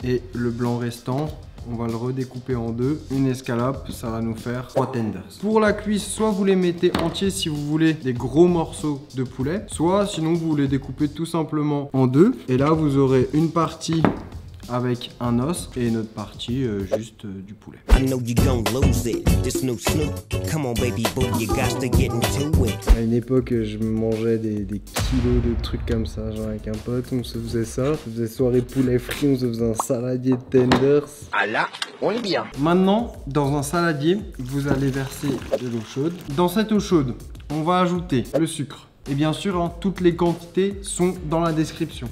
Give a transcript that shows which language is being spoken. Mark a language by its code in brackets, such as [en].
[fr] Et le blanc restant, on va le redécouper en deux. Une escalope, ça va nous faire trois tenders. Pour la cuisse, soit vous les mettez entiers si vous voulez des gros morceaux de poulet, soit sinon vous les découpez tout simplement en deux. Et là, vous aurez une partie avec un os et une autre partie juste du poulet. [en] I know you gonna lose it, this new Snoop. Come on baby boy, you got to get into it. [fr] À une époque, je mangeais des kilos de trucs comme ça, genre avec un pote, on se faisait ça. On se faisait soirée poulet frit, on se faisait un saladier de tenders. Ah là, on est bien. Maintenant, dans un saladier, vous allez verser de l'eau chaude. Dans cette eau chaude, on va ajouter le sucre. Et bien sûr, hein, toutes les quantités sont dans la description.